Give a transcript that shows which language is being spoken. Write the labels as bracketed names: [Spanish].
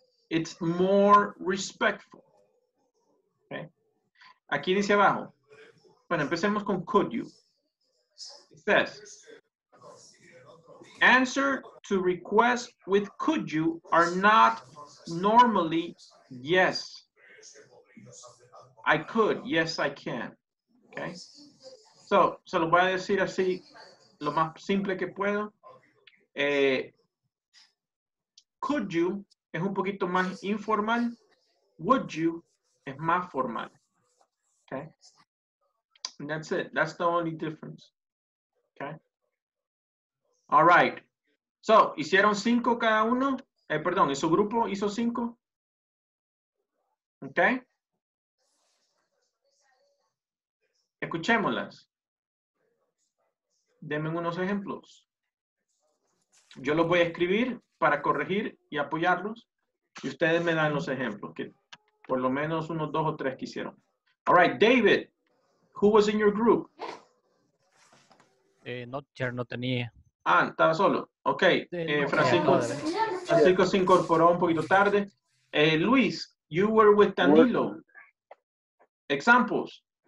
[English] It's more respectful, okay? [Spanish] Aquí dice abajo. Bueno, empecemos con [English] could you. It says, answer to request with could you are not normally yes. I could, yes I can. Okay. [Spanish] So, se lo voy a decir así, lo más simple que puedo. Could you es un poquito más informal. Would you es más formal. Okay. [English] And that's it. That's the only difference. Okay. All right. [Spanish] So, ¿hicieron cinco cada uno? Perdón, ¿y su grupo hizo cinco? Okay. Escuchémoslas. Denme unos ejemplos. Yo los voy a escribir para corregir y apoyarlos. Y ustedes me dan los ejemplos, que por lo menos unos dos o tres que hicieron. [English] All right, David, who was in your group? [Spanish] No tenía. Ah, estaba solo. Ok, Francisco. Francisco se incorporó un poquito tarde. [English] Luis, you were with Danilo. Examples.